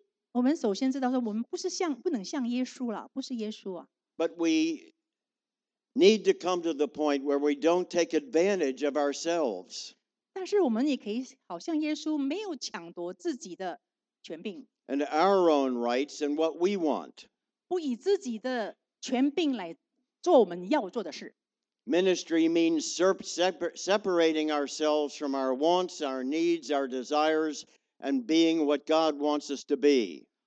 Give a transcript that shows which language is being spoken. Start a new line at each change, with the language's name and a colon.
Chinese: 我们首先知道说我们不是像不能像耶稣了，不是耶稣啊。But
English: we need to come to the point where we don't take advantage of ourselves.
Chinese: 但是我们也可以好像耶稣没有抢夺自己的权柄。
English: And our own rights and what we want.
Chinese: 不以自己的权柄来做我们要做的事。
English: Ministry means separating ourselves from our wants, our needs, our desires, and being what God wants us to be.